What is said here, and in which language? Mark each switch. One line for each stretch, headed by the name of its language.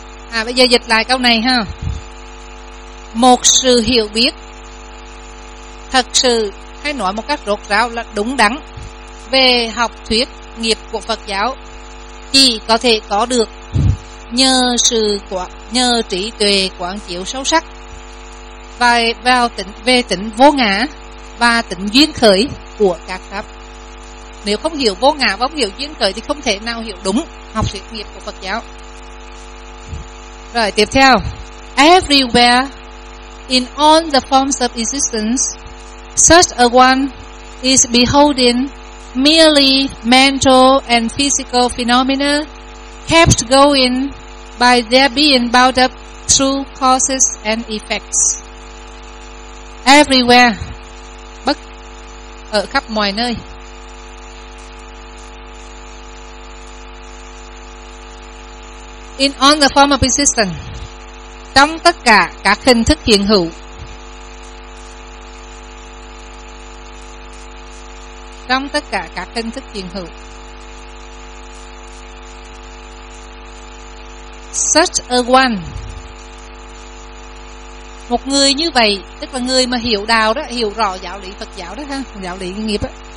Vietnamese: À, bây giờ dịch lại câu này ha. Một sự hiểu biết thật sự, hay nói một cách rốt ráo là đúng đắn về học thuyết nghiệp của Phật giáo, chỉ có thể có được nhờ sự quán, nhờ trí tuệ quán chiếu sâu sắc và vào tỉnh, về tỉnh vô ngã và tỉnh duyên khởi của các pháp. Nếu không hiểu vô ngã và không hiểu duyên khởi thì không thể nào hiểu đúng học thuyết nghiệp của Phật giáo. Rồi tiếp theo,
English: everywhere in all the forms of existence, such a one is beholding merely mental and physical phenomena kept going by their being bound up through causes and effects.
Vietnamese: Everywhere, bất ở khắp mọi nơi.
English: In all the form of existence,
Vietnamese: trong tất cả các hình thức hiện hữu, trong tất cả các hình thức hiện hữu,
English: such a one,
Vietnamese: một người như vậy, tức là người mà hiểu đạo đó, hiểu rõ giáo lý Phật giáo đó ha, giáo lý nghiệp đó.